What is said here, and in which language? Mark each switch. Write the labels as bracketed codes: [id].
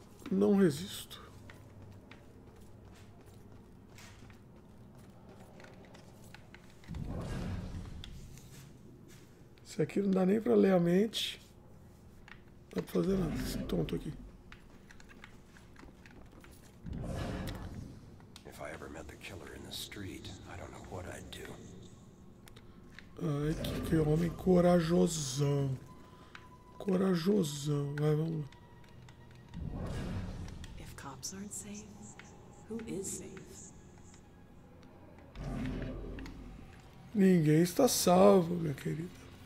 [pt] Não resisto. Isso aqui não dá nem pra ler a mente. Não dá pra fazer nada, esse tonto aqui. [en] If I ever met the killer in the street, I don't know what I'd do. [pt] Ai, que homem corajosão. Corajosão. Vai, vamos lá. [en] If cops aren't safe, who is safe? [pt] Ninguém está salvo, minha querida.